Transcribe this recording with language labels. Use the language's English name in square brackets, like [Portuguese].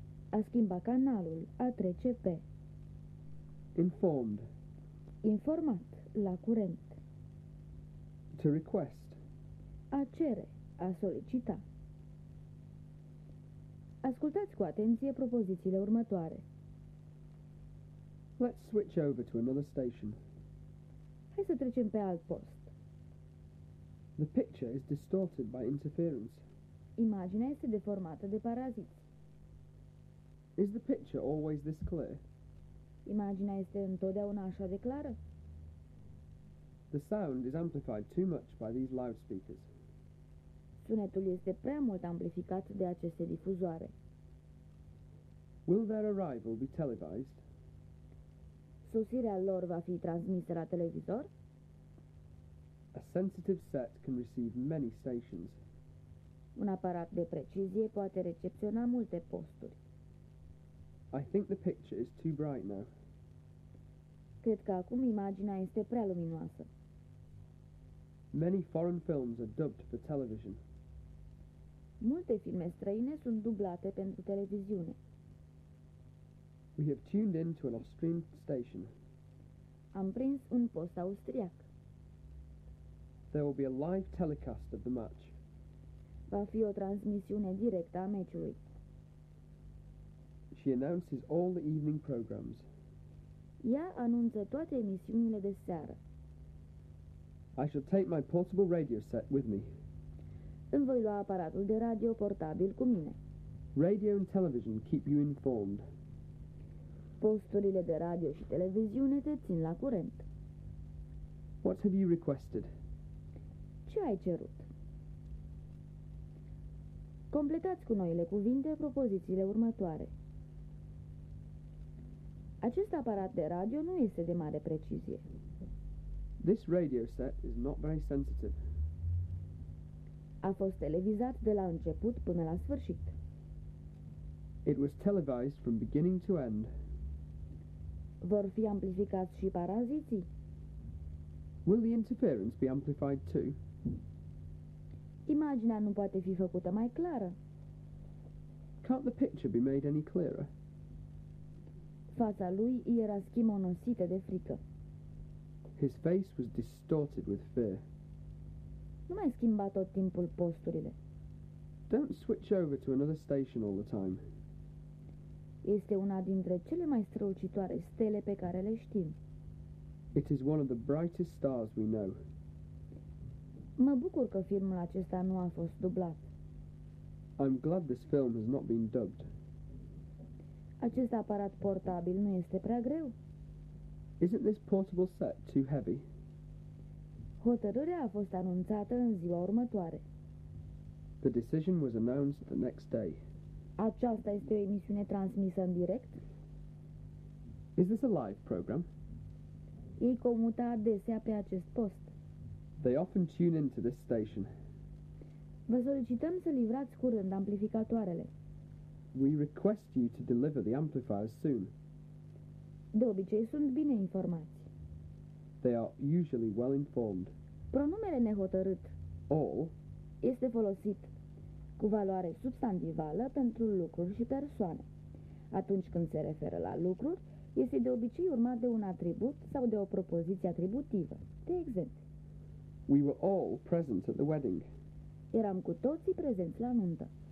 [Romanian] A schimba canalul, a trece pe. [English] Informed. [Romanian] Informat, la curent. [English] To request. [Romanian] A cere, a solicita. Ascultați cu atenție propozițiile următoare. [English] Let's switch over to another station. [Romanian] Hai să trecem pe alt post. [English] The picture is distorted by interference. [Romanian] Imaginea este deformată de paraziți. [English] Is the picture always this clear? [Romanian] Imaginea este întotdeauna așa de clară? [English] The sound is amplified too much by these loudspeakers. [Romanian] Sunetul este prea mult amplificat de aceste difuzoare. [English] Will their arrival be televised? [Romanian] Sosirea lor va fi transmisă la televizor? [English] A sensitive set can receive many stations. [Romanian] Un aparat de precizie poate recepționa multe posturi. [English] I think the picture is too bright now. [Romanian] Cred că acum imaginea este prea luminoasă. [English] Many foreign films are dubbed for television. [Romanian] Multe filme străine sunt dublate pentru televiziune. [English] We have tuned in to an Austrian station. [Romanian] Am prins un post austriac. [English] There will be a live telecast of the match. [Romanian] Va fi o transmisiune directă a meciului. [English] She announces all the evening programs. [Romanian] Ea anunță toate emisiunile de seară. [English] I shall take my portable radio set with me. [Romanian] Îmi voi lua aparatul de radio portabil cu mine. [English] Radio and television keep you informed. [Romanian] Posturile de radio și televiziune te țin la curent. [English] What have you requested? [Romanian] Ce ai cerut? Completați cu noile cuvinte propozițiile următoare. Acest aparat de radio nu este de mare precizie. [English] This radio set is not very sensitive. [Romanian] A fost televizat de la început până la sfârșit. [English] It was televised from beginning to end. [Romanian] Vor fi amplificați și paraziții? [English] Will the interference be amplified too? [Romanian] Imaginea nu poate fi făcută mai clară. [English] Can't the picture be made any clearer? [Romanian] Fața lui era schimonosită de frică. [English] His face was distorted with fear. [Romanian] Nu mai schimba tot timpul posturile. [English] Don't switch over to another station all the time. [Romanian] Este una dintre cele mai strălucitoare stele pe care le știm. [English] It is one of the brightest stars we know. [Romanian] Mă bucur că filmul acesta nu a fost dublat. [English] I'm glad this film has not been dubbed. [Romanian] Acest aparat portabil nu este prea greu? [English] Isn't this portable set too heavy? [Romanian] Hotărârea a fost anunțată în ziua următoare. [English] The decision was announced the next day. [Romanian] Aceasta este o emisiune transmisă în direct? [English] Is this a live program? [Romanian] Ei comută adesea pe acest post. [English] They often tune into this station. [Romanian] Vă solicităm să livrați curând amplificatoarele. [English] We request you to deliver the amplifiers soon. [Romanian] De obicei sunt bine informați. [English] They are usually well informed. [Romanian] Pronumele nehotărât [English] all [Romanian] este folosit cu valoare substantivală pentru lucruri și persoane. Atunci când se referă la lucruri, este de obicei urmat de un atribut sau de o propoziție atributivă. De exemplu, [English] we were all present at the wedding. [Romanian] Eram cu toții prezenți la nuntă.